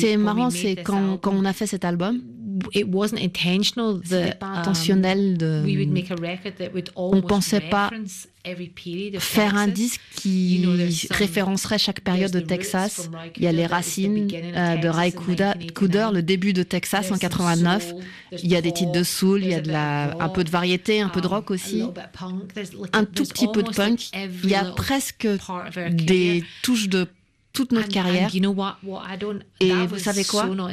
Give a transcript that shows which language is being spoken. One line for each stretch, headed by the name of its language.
French: C'est marrant, c'est quand on a fait cet album.
English: It wasn't intentional.
French: C'était pas intentionnel de.
English: We would make a record that would almost reference every period of Texas.
French: Faire un disque qui référencerait chaque période de Texas. Il y a les racines de Ray Cooder, le début de Texas en 89. Il y a des titres de soul, il y a un peu de variété, un peu de rock aussi, un tout petit peu de punk. Il y a presque des touches de toute notre carrière. Et vous savez quoi?